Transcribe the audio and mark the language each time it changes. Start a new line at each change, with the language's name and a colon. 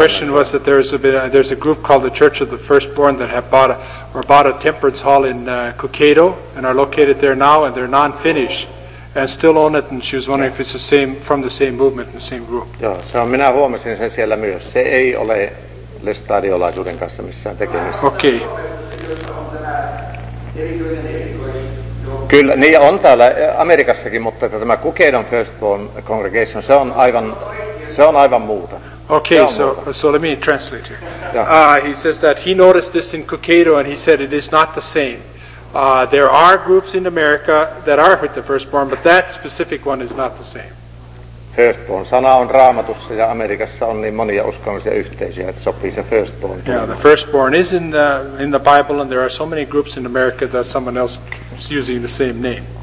English: there's a group called the Church of the Firstborn that have bought a temperance hall in Kokato and are located there now, and they're non-finished and still own it, and she was wondering if it's the same from the same movement and the same group.
Finnish: Joo, so minä huomasin sen siellä myös. Se ei ole lestadiolaisuuden kanssa missään tekemistä.
English: Okay.
Finnish: Kyllä, niin on täällä Amerikassakin, mutta että tämä Kukedon Firstborn Congregation, se on aivan muuta.
English: Okay, so let me translate here. Yeah. He says that he noticed this in Kukedo, and he said it is not the same. There are groups in America that are with the Firstborn, but that specific one is not the same.
Finnish: Firstborn sana on Raamatussa, ja Amerikassa on niin monia uskonnollisia yhteisöjä, että sopii se Firstborn.
English: Yeah, the Firstborn is in the Bible, and there are so many groups in America that someone else is using the same name.